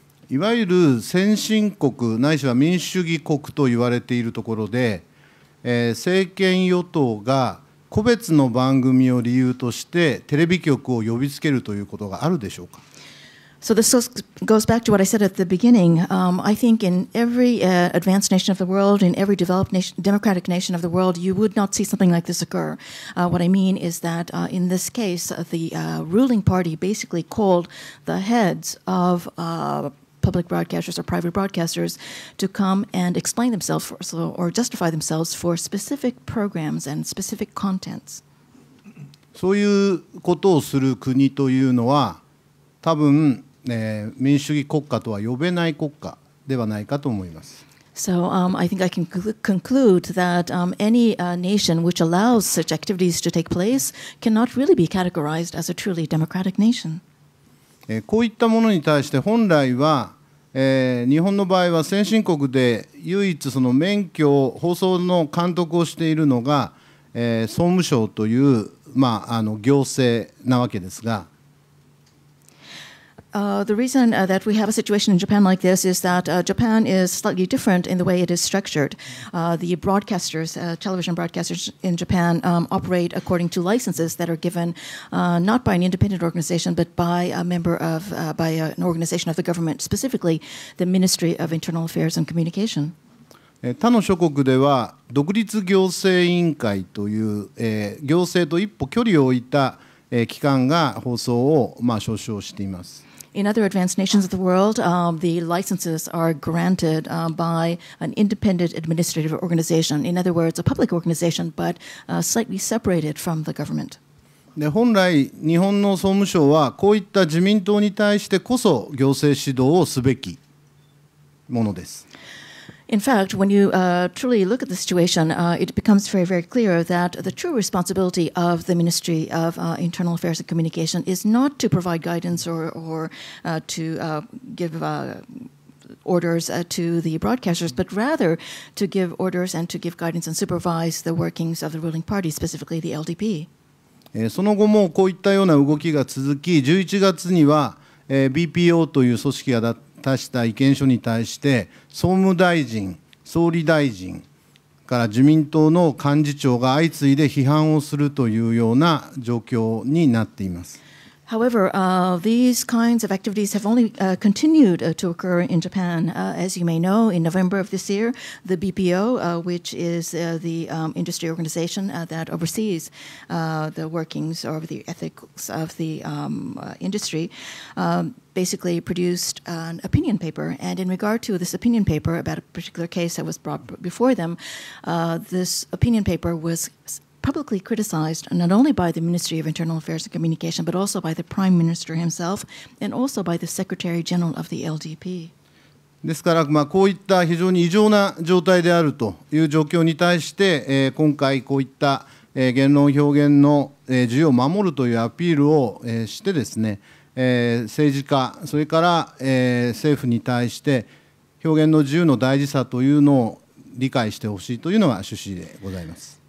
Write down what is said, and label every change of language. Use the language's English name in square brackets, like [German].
[Japanese] いわゆる先進国ないしは民主主義国と言われているところで、政権与党が個別の番組を理由としてテレビ局を呼びつけるということがあるでしょうか。 [English] So this goes back to what I said at the beginning. I think in every advanced nation of the world, in every developed nation, democratic nation of the world, you would not see something like this occur. What I mean is that in this case, the ruling party basically called the heads of public broadcasters or private broadcasters to come and explain themselves for, so, or justify themselves for specific programs and specific contents. [Japanese] そういうことをする国というのは多分民主主義国家とは呼べない国家ではないかと思います。 [English] So, I think I can conclude that any nation which allows such activities to take place cannot really be categorized as a truly democratic nation. [Japanese] こういったものに対して本来は日本の場合は先進国で唯一その免許を放送の監督をしているのが総務省という、まあ、行政なわけですが。 [English] The reason that we have a situation in Japan like this is that Japan is slightly different in the way it is structured. The broadcasters, television broadcasters in Japan, operate according to licenses that are given not by an independent organization, but by a member of, by an organization of the government, specifically the Ministry of Internal Affairs and Communication. [Japanese] 他の諸国では独立行政委員会という、行政と一歩距離を置いた、機関が放送を、まあ、招集しています。 [English] In other advanced nations of the world, the licenses are granted by an independent administrative organization. In other words, a public organization, but slightly separated from the government. [Japanese] で、本来日本の総務省はこういった自民党に対してこそ行政指導をすべきものです。 [English] In fact, when you truly look at the situation, it becomes very, very clear that the true responsibility of the Ministry of Internal Affairs and Communication is not to provide guidance or to give orders to the broadcasters, but rather to give orders and to give guidance and supervise the workings of the ruling party, specifically the LDP. [Japanese] その後もこういったような動きが続き、11月には BPO という組織が出した意見書に対して総務大臣、総理大臣から自民党の幹事長が相次いで批判をするというような状況になっています。 [English] However, these kinds of activities have only continued to occur in Japan. As you may know, in November of this year, the BPO, which is the industry organization that oversees the workings or the ethics of the industry, basically produced an opinion paper. And in regard to this opinion paper about a particular case that was brought before them, this opinion paper was publicly criticized not only by the Ministry of Internal Affairs and Communication, but also by the Prime Minister himself and also by the Secretary General of the LDP. [Japanese] ですから、まあ、こういった非常に異常な状態であるという状況に対して、今回こういった言論表現の自由を守るというアピールをしてですね、政治家それから政府に対して表現の自由の大事さというのを理解してほしいというのが趣旨でございます。